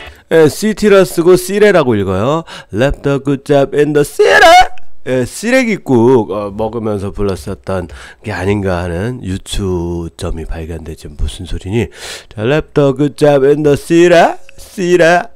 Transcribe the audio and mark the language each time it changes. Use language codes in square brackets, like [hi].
[ko] 예, city라 쓰고 시레라고 읽어요. [en] Left a good job in the city. [ko] 예, 시래기국 먹으면서 불렀었던 게 아닌가 하는 유추점이 발견되지. 무슨 소리니? [en] 자, left a good job in the city.